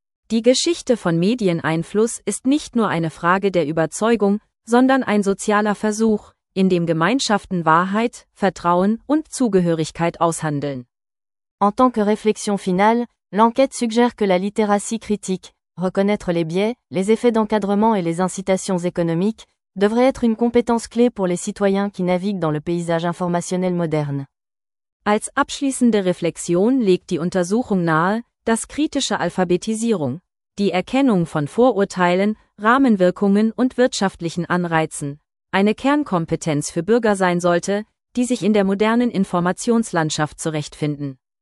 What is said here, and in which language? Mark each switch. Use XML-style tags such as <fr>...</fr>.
<de>Die Geschichte von Medieneinfluss ist nicht nur eine Frage der Überzeugung, sondern ein sozialer Versuch, in dem Gemeinschaften Wahrheit, Vertrauen und Zugehörigkeit aushandeln.</de> <fr>En tant que réflexion finale, l'enquête suggère que la littératie critique, reconnaître les biais, les effets d'encadrement et les incitations économiques, devrait être une compétence clé pour les citoyens qui naviguent dans le paysage informationnel moderne.</fr> <de>Als abschließende Reflexion legt die Untersuchung nahe, dass kritische Alphabetisierung, die Erkennung von Vorurteilen, Rahmenwirkungen und wirtschaftlichen Anreizen, eine Kernkompetenz für Bürger sein sollte, die sich in der modernen Informationslandschaft zurechtfinden.</de>